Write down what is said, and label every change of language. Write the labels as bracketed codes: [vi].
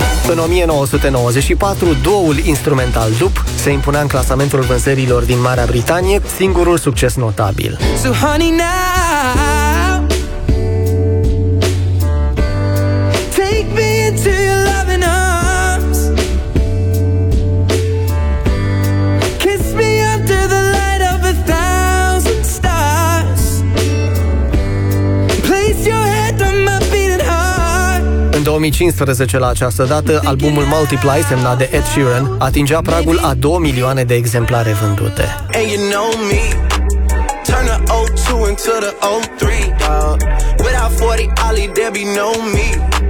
[ro] În 1994, duo-ul instrumental Dup se impunea în clasamentul vânzărilor din Marea Britanie, singurul succes notabil. [en] So honey now, take me into your loving arms, kiss me under the light of a thousand [ro] 2015, la această dată, albumul Multiply, semnat de Ed Sheeran, atingea pragul a 2 milioane de exemplare vândute. [en] And you know me, turn the O2 into the O3, without 40 Ollie, there be no me.